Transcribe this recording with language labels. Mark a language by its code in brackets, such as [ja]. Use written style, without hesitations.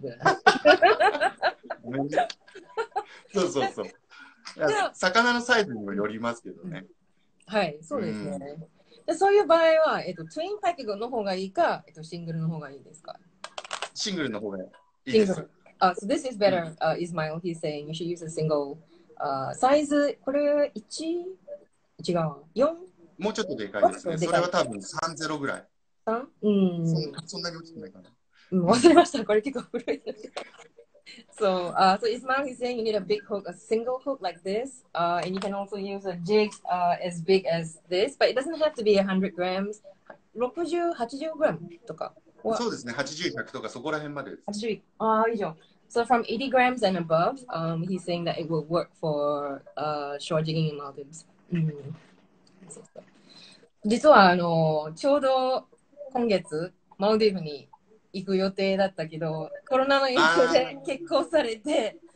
[ja] て。そうそうそう。魚のサイズにもよりますけどね。はい、そうですね。で、そういう場合は、ツインパックの方がいいか、シングルの方がいいですか？シングルの方がいいです。 [en] So this is better,、Ismail, he's saying you should use a single、 [ja] サイズ、これ1？違う。4？もうちょっとでかいですね。それは多分30ぐらい。うん、そんなに大きくないかな、うん、忘れました、これ結構古い。 [en] So, so Ismail is saying you need a big hook, a single hook like this、and you can also use a jig、as big as this, but it doesn't have to be 100 grams 60-80g とか、 What? [ja] そうですね、80-100とかそこら辺までです。 80、以上。 [en] So from 80 grams and above、he's saying that it will work for、shore jigging in Maldives、 [ja] 実はあのちょうど今月マルディブに行く予定だったけど、コロナの影響で結婚されて。